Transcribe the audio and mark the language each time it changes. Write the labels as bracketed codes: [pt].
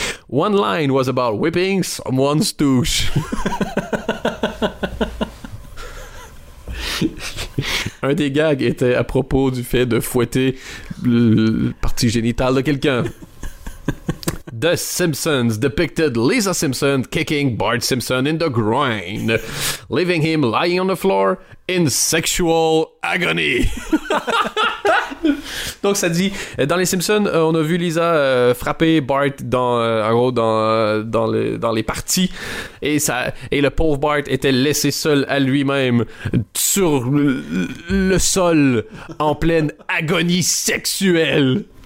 [en] One line was about whipping someone's douche. [fr] Un des gags était à propos du fait de fouetter la partie génitale de quelqu'un. [en] The Simpsons depicted Lisa Simpson kicking Bart Simpson in the groin, leaving him lying on the floor in sexual agony. [fr] Donc ça dit, dans les Simpsons, on a vu Lisa frapper Bart dans, en gros, dans les parties, et, ça, et le pauvre Bart était laissé seul à lui-même sur le sol en pleine agonie sexuelle.